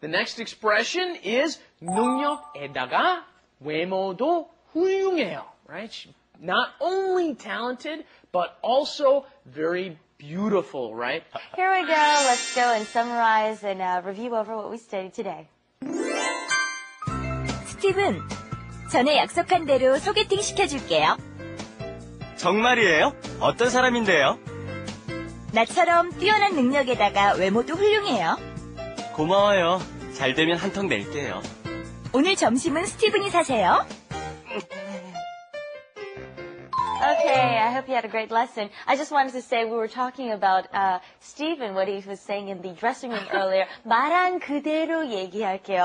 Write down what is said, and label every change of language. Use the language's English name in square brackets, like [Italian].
[English] The next expression is [Korean] 능력에다가 외모도 훌륭해요, [English] right? Not only talented, but also very beautiful, right? Here we go. Let's go and summarize and review over what we studied today. [Korean] 스티븐, 전에 약속한 대로 소개팅 시켜줄게요. 정말이에요? 어떤 사람인데요? 나처럼 뛰어난 능력에다가 외모도 훌륭해요. 고마워요. 잘 되면 한 턱 낼게요. 오늘 점심은 스티븐이 사세요. [English] Okay, I hope you had a great lesson. I just wanted to say we were talking about Stephen, what he was saying in the dressing room earlier. [Korean] 말한 그대로 얘기할게요.